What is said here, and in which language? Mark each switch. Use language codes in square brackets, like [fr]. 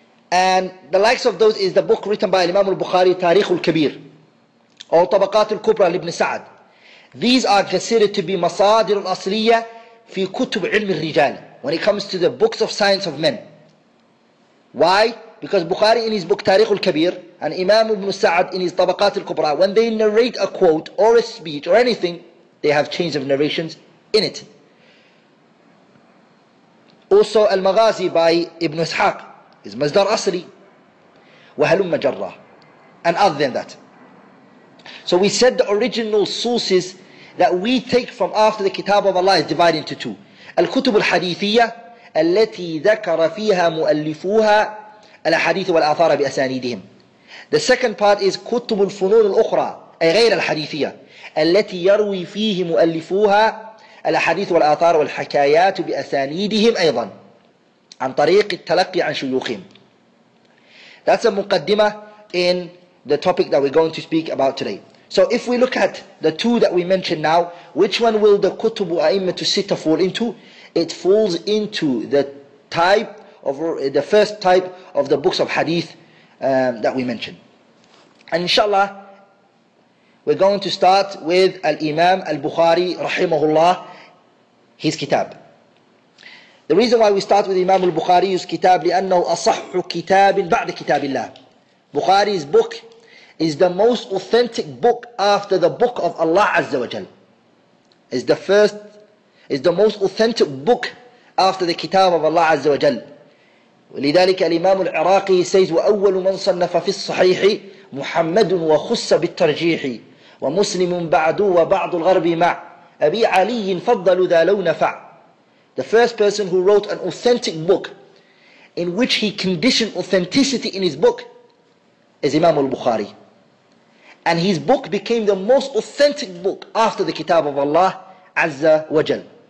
[en] And the likes of those is the book written by Imam al-Bukhari, Tariq al-Kabir. [ar] أو طبقات الكبرى لابن سعد. [en] These are considered to be [ar] مصادر الأصلية في كتب علم الرجال [en] when it comes to the books of science of men. Why? Because Bukhari in his book تاريخ الكبير and Imam ibn Sa'd in his طبقات الكبرى when they narrate a quote or a speech or anything they have chains of narrations in it. Also المغازي by ابن إسحاق is [ar] مصدر أصلي وهلم جرة [en] and other than that. So we said the original sources that we take from after the Kitab of Allah is divided into two. [ar] الكتب الحديثية التي ذكر فيها مؤلفوها الحديث والآثار بأسانيدهم. [en] The second part is [ar] كتب الفنون الأخرى أي غير الحديثية التي يروي فيه مؤلفوها الحديث والآثار والحكايات بأسانيدهم أيضا عن طريق التلقي عن شيوخهم. [en] That's a مقدمة in the topic that we're going to speak about today. So if we look at the two that we mentioned now, which one will the Kutubu A'imma to Sita fall into? It falls into the type of the first type of the books of hadith that we mentioned. And inshallah, we're going to start with Al-Imam Al-Bukhari Rahimahullah, his kitab. The reason why we start with Imam Al-Bukhari's kitab, [ar] لأنه أصح كتاب بعد كتاب الله. [en] Bukhari's book is the most authentic book after the book of Allah Azza wa Jal. is the first, is the most authentic book after the Kitab of Allah Azza wa Jal. [ar] ولذلك الإمام العراقي [en] says [ar] وأول من صنف في الصحيح محمد وخص بالترجيح ومسلم بعد وبعض الغرب مع أبي علي فضل ذا لو نفع. [en] The first person who wrote an authentic book in which he conditioned authenticity in his book is Imam al-Bukhari. And his book became the most authentic book after the Kitab of Allah Azza wa Jal.